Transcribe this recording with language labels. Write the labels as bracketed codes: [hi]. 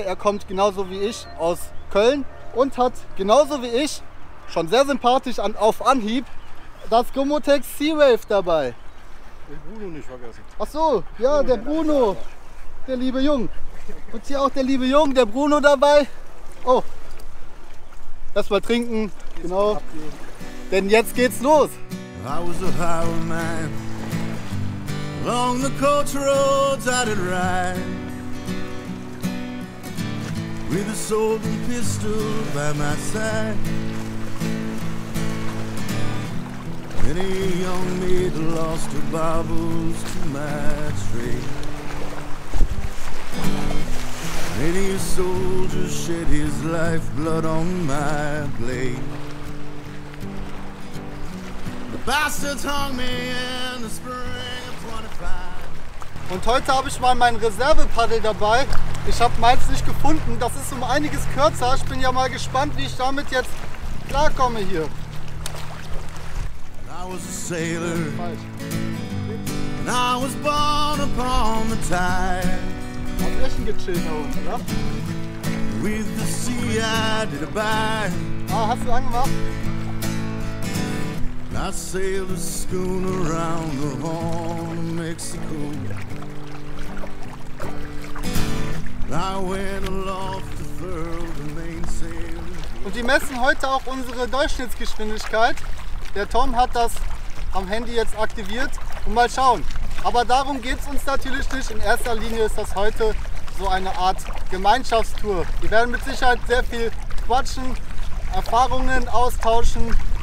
[de] Er kommt genauso wie ich aus Köln und hat genauso wie ich, schon sehr sympathisch auf Anhieb, das Gomotec SeaWave dabei. Den Bruno nicht vergessen. Ach so, ja, der Bruno, der liebe Jung. Und hier auch der liebe Jung, der Bruno dabei. Oh, erstmal trinken. Genau, denn jetzt geht's los. [en] I was a highway man, long the coach roads I did ride, with a sword and pistol by my side. Then a young maid lost her baubles to my trade. Many a soldier shed his lifeblood on my blade. The bastards hung me in the spring of 25. [de] Und heute habe ich mal mein Reservepaddel dabei. Ich habe meins nicht gefunden. Das ist um einiges kürzer. Ich bin ja mal gespannt, wie ich damit jetzt klarkomme hier. [en] And I was a sailor. And I was born upon the tide. With the sea I did abide. [de] Ah, hast du angemacht? [en] I sailed a schooner around the Horn of Mexico. I went aloft to furl the mainsail. [de] Und die messen heute auch unsere Durchschnittsgeschwindigkeit. Der Tom hat das am Handy jetzt aktiviert. Und mal schauen. Aber darum geht es uns natürlich nicht. In erster Linie ist das heute so eine Art Gemeinschaftstour. Wir werden mit Sicherheit sehr viel quatschen, Erfahrungen austauschen.